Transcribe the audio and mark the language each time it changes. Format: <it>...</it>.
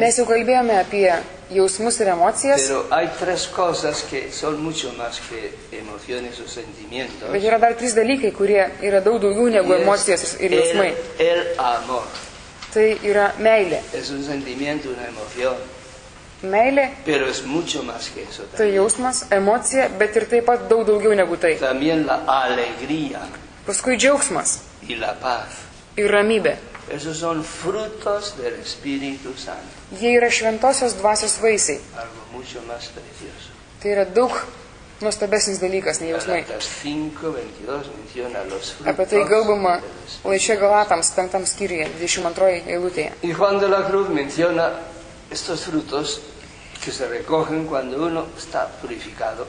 <lt>Mes jau kalbėjome apie jausmus ir emocijas.</lt> <es>Pero hay tres cosas que son mucho más que emociones o sentimientos.</es> <lt>Bet yra dar trys dalykai, kurie yra daug daugiau negu emocijos ir jausmai.</lt> <es>El amor.</es> <lt>Tai yra meilė.</lt> <es>Es un sentimiento, una emoción.</es> <lt>Meilė,</lt> <es>pero es mucho más que eso.</es> <lt>Tai jausmas, emocija, bet ir taip pat daug daugiau negu tai.</lt> <es>También la alegría.</es> <lt>Paskui džiaugsmas.</lt> <es>Y la paz.</es> <lt>Ir ramybė.</lt> <es>Esos son frutos del Espíritu Santo.</es> <lt>Jie yra šventosios dvasios vaisiai.</lt> <es>Algo mucho más precioso.</es> <lt>Tai yra daug nuostabesnis dalykas nei jausmai.</lt> <es>Galatas 5:22 menciona los frutos.</es> <lt>Apie tai kalbama laiške Galatams 5 skyriuje 22 eilutėje.</lt> <es>Y Juan de la Cruz menciona estos frutos que se recogen cuando uno está purificado.</es>